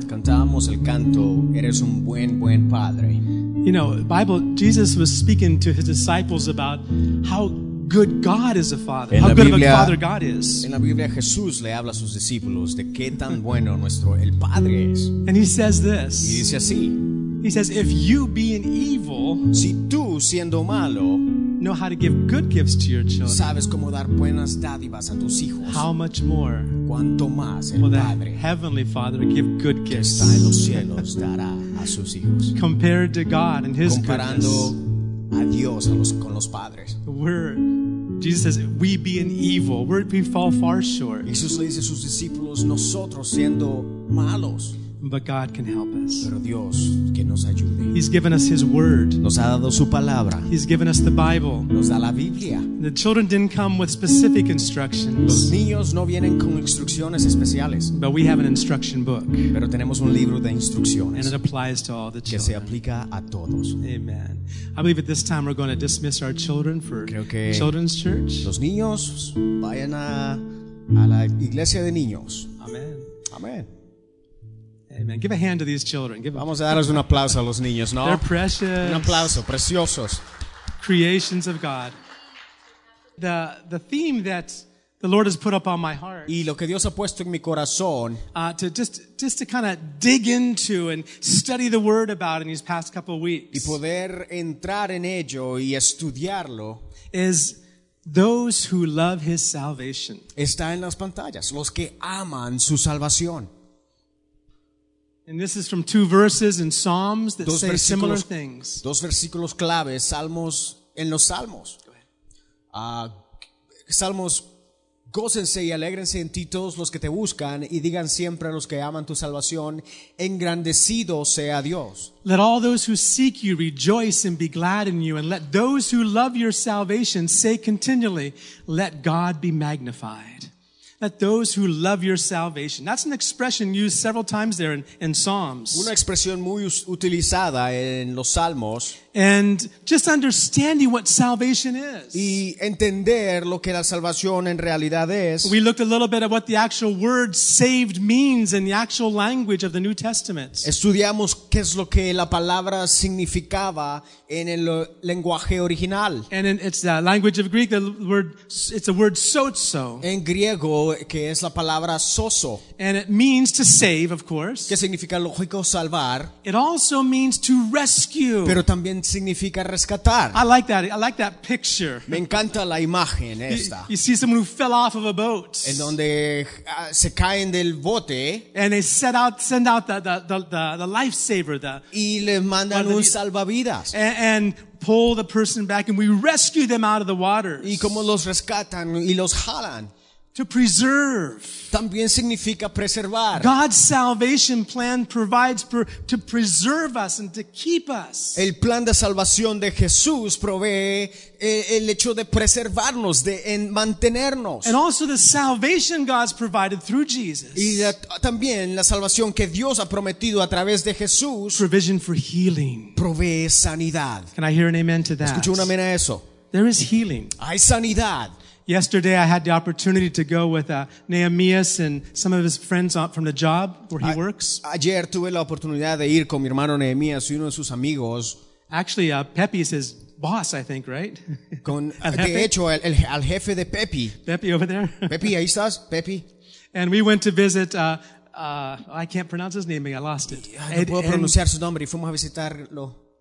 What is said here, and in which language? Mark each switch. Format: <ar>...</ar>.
<es>Cantábamos el canto, eres un buen, buen padre.</es> <en>You know, Bible, Jesus was speaking to his disciples about how good God is a father.</en> <es>En</es> <en>how</en> <es>Biblia,</es> <en>good of a father God is.</en> <es>En la Biblia, Jesús le habla a sus discípulos de qué tan bueno nuestro el padre es.</es> <en>And he says this.</en> <es>Y dice así.</es> <en>He says, if you being evil,</en> <es>si tú siendo malo,</es> <en>know how to give good gifts to your children.</en> <es>Sabes cómo dar buenas dádivas a tus hijos.</es> <en>How much more?</en> <es>Cuánto más el Padre,</es> <en>Heavenly Father, give good gifts.</en> <es>Que está en los cielos dará a sus hijos.</es> <en>Compared to God and His</en> <es>comparando</es> <en>goodness.</en> <es>A Dios a los, con los padres.</es> <en>Jesus says, we being evil, we fall far short.</en> <es>Jesús le dice a sus discípulos, nosotros siendo malos.</es> <en>But God can help us.</en> <es>Pero Dios, que nos ayude.</es> <en>He's given us His Word.</en> <es>Nos ha dado su palabra.</es> <en>He's given us the Bible.</en> <es>Nos da la Biblia.</es> <en>The children didn't come with specific instructions.</en> <es>Los niños no vienen con instrucciones especiales.</es> <en>But we have an instruction book.</en> <es>Pero tenemos un libro de instrucciones.</es> <en>And it applies to all the children.</en> <es>Que se aplica a todos.</es> <en>Amen. I believe at this time we're going to dismiss our children for children's church.</en> <es>Los niños vayan a la iglesia de niños.</es> <en>Amen. Amen. Amen. Give a hand to these children. Give</en> <es>Vamos a darles un aplauso a los niños, ¿no?</es> <en>They're precious.</en> <es>Un aplauso, preciosos.</es> <en>Creations of God. The theme that the Lord has put up on my heart.</en> <es>Y lo que Dios ha puesto en mi corazón.</es> <en>To just to kind of dig into and study the Word about in these past couple of weeks.</en> <es>Y poder entrar en ello y estudiarlo.</es> <en>Is those who love His salvation.</en> <es>Está en las pantallas. Los que aman su salvación.</es> <en>And this is from two verses in Psalms that say similar things.</en> <es>Dos versículos claves, Salmos, en los Salmos. Salmos, gócense y alégrense en ti todos los que te buscan y digan siempre a los que aman tu salvación, engrandecido sea Dios.</es> <en>Let all those who seek you rejoice and be glad in you, and let those who love your salvation say continually, let God be magnified. Let those who love your salvation. That's an expression used several times there in Psalms.</en> <es>Una expresión muy utilizada en los Salmos.</es> <en>And just understanding what salvation is.</en> <es>Y entender lo que la salvación en realidad es.</es> <en>We looked a little bit at what the actual word saved means in the actual language of the New Testament.</en> <es>Estudiamos qué es lo que la palabra significaba en el lenguaje original.</es> <en>And it's the language of Greek, the word, it's the word sozo.</en> <es>En griego, que es la palabra soso.</es> <en>And it means to save, of course.</en> <es>Que significa lógico salvar.</es> <en>It also means to rescue.</en> <es>Pero también significa rescatar.</es> <en>I like that picture.</en> <es>Me encanta la imagen esta.</es> <en>You see someone who fell off of a boat.</en> <es>En donde se caen del bote.</es> <en>And they send out the lifesaver.</en> <es>Y le mandan un salvavidas.</es> <en>And pull the person back, and we rescue them out of the waters.</en> <es>Y como los rescatan y los jalan.</es> <en>To preserve.</en> <es>También significa preservar.</es> <en>God's salvation plan provides to preserve us and to keep us.</en> <es>El plan de salvación de Jesús provee el hecho de preservarnos, de mantenernos.</es> <en>And also the salvation God's provided through Jesus.</en> <es>Y también la salvación que Dios ha prometido a través de Jesús.</es> <en>Provision for healing.</en> <es>Provee sanidad.</es> <en>Can I hear an amen to that?</en> <es>¿Escucho un amén a eso?</es> <en>There is healing.</en> <es>Hay sanidad.</es> <en>Yesterday I had the opportunity to go with Nehemias and some of his friends from the job where he works.</en> <es>Ayer tuve la oportunidad de ir con mi hermano Nehemias y uno de sus amigos.</es> <en>Actually, Pepe is his boss, I think, right?</en> <es>al jefe de Pepe.</es> <en>Pepe over there.</en> <es>Pepe, ahí estás, Pepe.</es> <en>And we went to visit I can't pronounce his name, I lost it.</en> <es>Pronunciar su nombre y fuimos a visitarlo.</es>